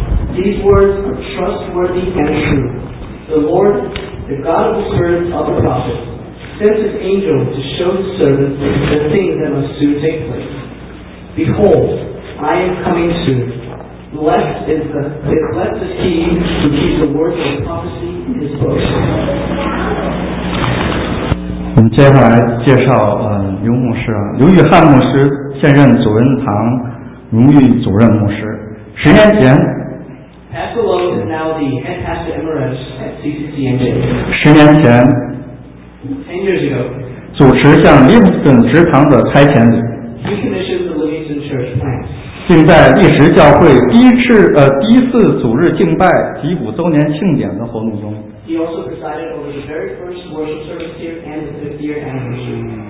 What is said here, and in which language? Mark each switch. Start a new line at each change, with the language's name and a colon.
English: These words are trustworthy and true. The Lord, the God of the servants of the prophets, sent his angel to show the servants the things that must soon take place. Behold, I am coming soon. Blessed is he who keeps the words of prophecy in his book.
Chinese: 我们接下来介绍刘牧师，刘玉汉牧师，现任主任堂荣誉主任牧师。十年前。
English: Pastor Lowe is now the head pastor emeritus at CCCNJ. 10 years ago,
Chinese: 主持向 Livingston 职堂的差遣礼。
English: He commissioned the Livingston Church plant.
Chinese: 并在历史教会第一次主日敬拜及五周年庆典的活动中。
English: He also presided over the very first worship service here and the 5th year anniversary.